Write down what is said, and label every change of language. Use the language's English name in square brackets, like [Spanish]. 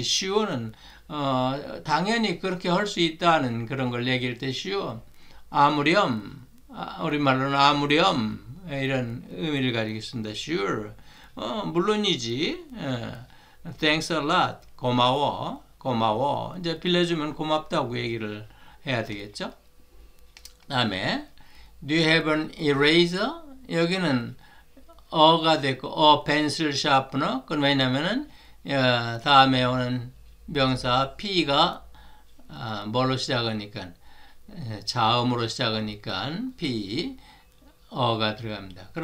[Korean] Sure는 당연히 그렇게 할수 있다는 그런 걸 얘기할 때 sure. 아무렴. 우리말로는 아무렴. 이런 의미를 가지고 있습니다. [English] Sure. [Korean] 물론이지. [English] Thanks a lot. [Korean] 고마워. 고마워. 이제 빌려주면 고맙다고 얘기를 해야 되겠죠? 다음에, [English] Do you have an eraser? [Korean] 여기는 어가 됐고, 어 pencil sharpener. 그건 왜냐면은 다음에 오는 명사 P가 뭘로 시작하니까 자음으로 시작하니까 P 어가 들어갑니다.